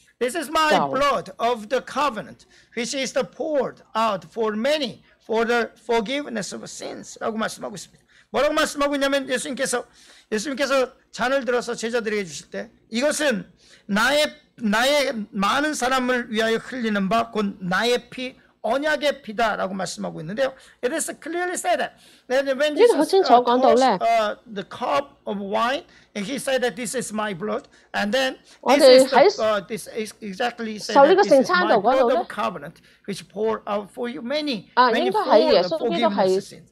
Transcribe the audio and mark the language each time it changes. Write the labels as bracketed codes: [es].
[en] This is my blood of the covenant, which is the poured out for many for the forgiveness of sins. [ko] 라고 말씀하고 있습니다. 뭐라고 말씀하고 있냐면 예수님께서 잔을 들어서 제자들에게 주실 때 이것은 나의 많은 사람을 위하여 흘리는 바 곧 나의 피 언약의 피다라고 말씀하고 있는데요. [en] It is clearly said that when Jesus poured the cup of wine, and he said that this is my blood, and then this is exactly said that this is my blood of covenant, which poured out for you many for the forgiveness of sins.